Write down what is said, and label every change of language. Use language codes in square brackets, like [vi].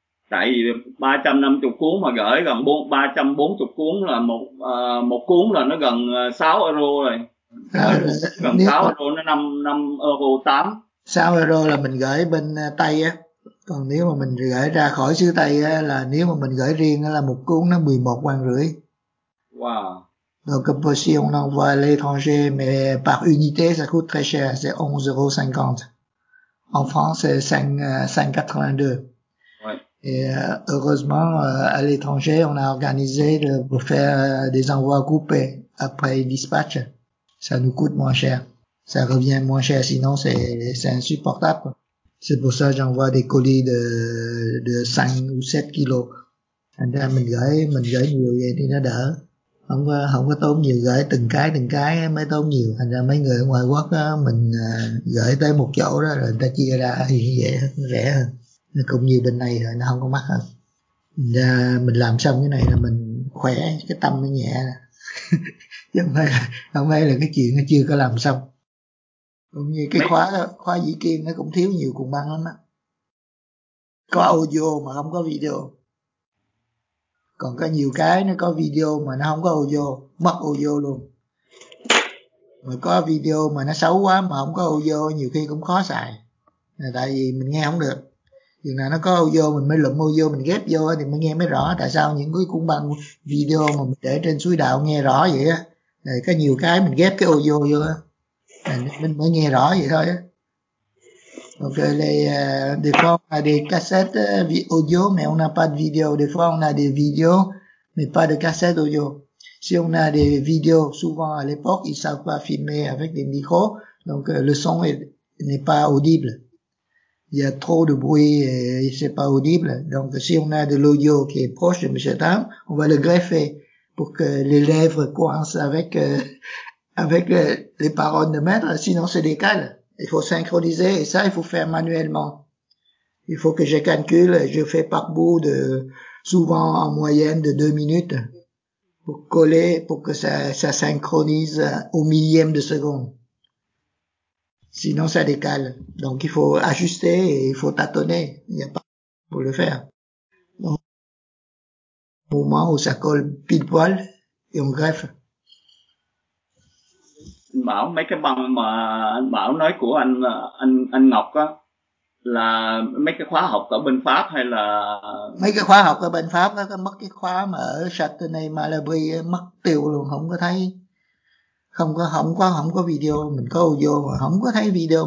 [vi] Tại vì 350 cuốn mà gửi gần 340 cuốn là một cuốn là nó gần 6 euro rồi. Gần 6 euro nó 5 euro 8. 6 euro là mình gửi bên Tây á, Còn nếu mà mình gửi ra khỏi xứ Tây á, là nếu mà mình gửi riêng á, là một cuốn nó 11,500. Wow. [fr] Donc pour si on envoie à l'étranger mais par unité ça coûte très cher, c'est 11,50 €. En France c'est 5,82 €. Ouais. Et heureusement à l'étranger on a organisé pour faire des envois groupés après dispatch. Ça nous coûte moins cher. Ça revient moins cher sinon c'est insupportable. C'est pour ça que j'envoie des colis de 5 ou 7 kilos. [vi] Thành ra mình gửi nhiều vậy thì nó đỡ. Không có tốn nhiều, gửi từng cái mới tốn nhiều. Thành ra mấy người ở ngoài quốc đó, mình gửi tới một chỗ đó rồi người ta chia ra thì dễ hơn, rẻ hơn. Cũng như bên này rồi, nó không có mắc hơn. Thành ra mình làm xong cái này là mình khỏe, cái tâm nó nhẹ. không phải là cái chuyện nó chưa có làm xong. Cũng như cái khóa dĩ kiên nó cũng thiếu nhiều cùng băng lắm á. Có audio mà không có video. Còn có nhiều cái nó có video mà nó không có audio, mất audio luôn. Mà có video mà nó xấu quá mà không có audio nhiều khi cũng khó xài. Tại vì mình nghe không được. Chừng nào nó có audio mình mới lụm audio, mình ghép vô thì mới nghe mới rõ. Tại sao những cái cuốn băng video mà mình để trên suối đạo nghe rõ vậy á. Rồi có nhiều cái mình ghép cái audio vô á. Mình mới nghe rõ vậy thôi. Donc des fois on a des cassettes audio mais on n'a pas de vidéo. Des fois on a des vidéos mais pas de cassettes audio. Si on a des vidéos, souvent à l'époque ils savent pas filmer avec des micros, donc le son n'est pas audible. Il y a trop de bruit et c'est pas audible. Donc si on a de l'audio qui est proche de M. Tam, on va le greffer pour que les lèvres coincent avec les paroles de maître, sinon se décale. Il faut synchroniser et ça, il faut faire manuellement. Il faut que je calcule, je fais par bout de souvent en moyenne de 2 minutes pour coller, pour que ça synchronise au millième de seconde. Sinon, ça décale. Donc, il faut ajuster et il faut tâtonner. Il n'y a pas pour le faire. Donc, au moment où ça colle pile poil et on greffe. Anh bảo mấy cái băng mà anh bảo nói của anh Ngọc á là mấy cái khóa học ở bên Pháp hay là mấy cái khóa học ở bên Pháp á, mất cái khóa mà ở Châtenay Malabry mất tiêu luôn, không có thấy, không có video, mình có audio mà không có thấy video.